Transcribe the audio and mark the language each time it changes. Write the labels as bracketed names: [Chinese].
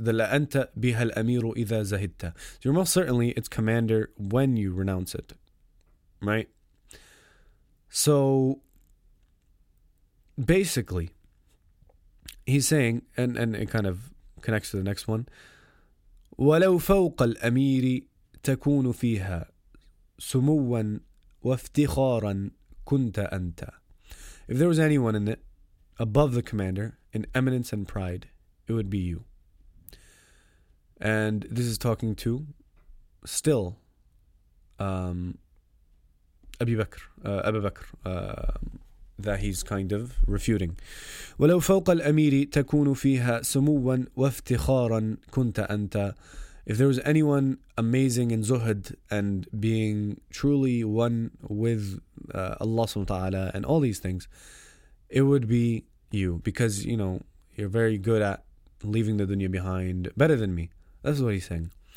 [Arabic] لَأَنْتَ بِهَا الْأَمِيرُ إِذَا زَهِدْتَ. [English] So you're most certainly its commander when you renounce it, right? So basically he's saying, and it kind of connects to the next one, [Arabic] وَلَوْ فَوْقَ الْأَمِيرِ تكون فيها سموا وافتخارا كنت أنت. [English] If there was anyone in it above the commander in eminence and pride, it would be you. And this is talking to still Abu Bakr that he's kind of refuting. [Arabic] ولو فوق الأمير تكون فيها سموا وافتخارا كنت أنت. [English] If there was anyone amazing in Zuhud and being truly one with Allah subhanahu wa ta'ala and all these things, it would be you, because, you know, you're very good at leaving the dunya behind, better than me. That's what he's saying.